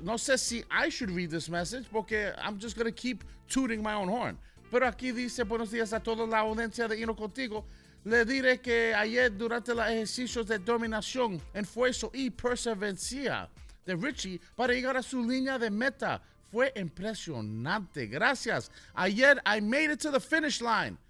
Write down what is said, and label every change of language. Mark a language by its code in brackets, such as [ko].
[es] No sé si [en] I should read this message [es] porque [en] I'm just going to keep tooting my own horn. [es] Pero aquí dice, buenos días a toda la audiencia de Hino Contigo. Le diré que ayer durante los ejercicios de dominación, esfuerzo y perseverancia de Richie para llegar a su línea de meta fue impresionante. Gracias. Ayer [en] I made it to the finish line.